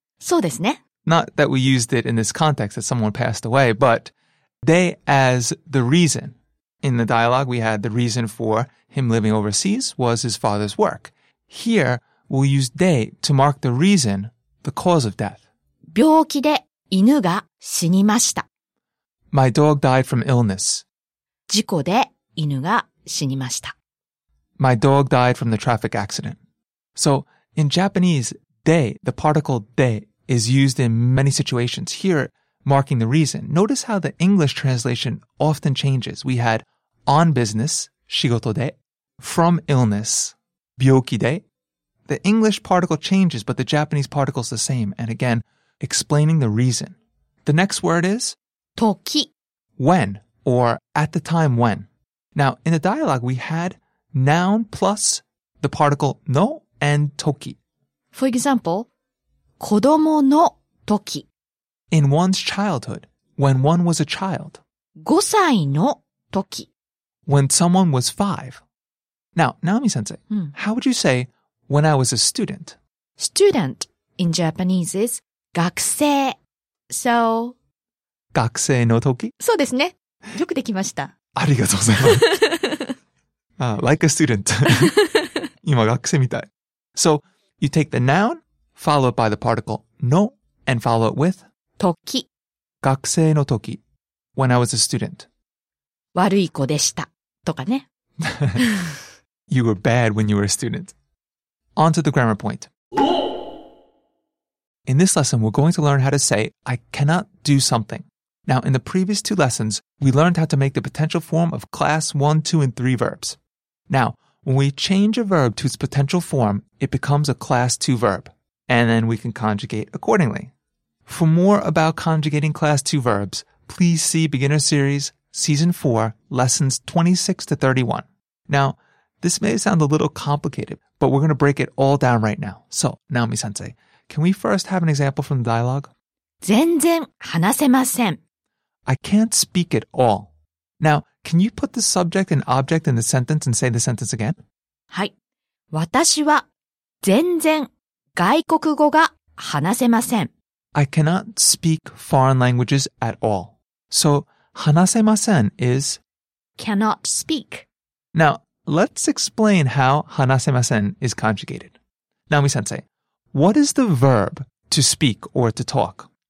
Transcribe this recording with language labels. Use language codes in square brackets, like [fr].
[ja] そうですね。 [en] Not that we used it in this context that someone passed away, but で as the reason. In the dialogue, we had the reason for him living overseas was his father's work. Here, we'll use で to mark the reason, the cause of death. [ja] 病気で犬が死にました。 [en] My dog died from illness. [ja] 事故で犬が死にました。 [en] My dog died from the traffic accident. So,In Japanese, で, the particle で, is used in many situations. Here, marking the reason. Notice how the English translation often changes. We had on business, 仕事で, from illness, 病気で. The English particle changes, but the Japanese particle is the same. And again, explaining the reason. The next word is [ja] 時 [en] when, or at the time when. Now, in the dialogue, we had noun plus the particle no. And toki. For example, [ja] 子供の時 [en] In one's childhood, when one was a child. [ja] 5歳の時 [en] When someone was 5. Now, Naomi-sensei, how would you say, when I was a student? Student in Japanese is 学生 So, [ja] 学生の時そうですね。よくできました。ありがとうございます。 [en] like a student. [ja] 今学生みたい。 [en] So, you take the noun, follow it by the particle の, and follow it with [ja] 時学生の時 [en] when I was a student. [ja] 悪い子でしたとかね。 [en] You were bad when you were a student. On to the grammar point. In this lesson, we're going to learn how to say, I cannot do something. Now, in the previous two lessons, we learned how to make the potential form of class 1, 2, and 3 verbs. Now,When we change a verb to its potential form, it becomes a class 2 verb, and then we can conjugate accordingly. For more about conjugating class 2 verbs, please see Beginner Series, Season 4, Lessons 26 to 31. Now, This may sound a little complicated, but we're going to break it all down right now. So, Naomi-sensei, can we first have an example from the dialogue? [ja] 全然話せません。 [en] I can't speak at all. Now, can you put the subject and object in the sentence and say the sentence again? [ja] はい。私は全然外国語が話せません。 [en] I cannot speak foreign languages at all. So, 話せません is cannot speak. Now, let's explain how 話せません is conjugated. Naomi-sensei, what is the verb to speak or to talk?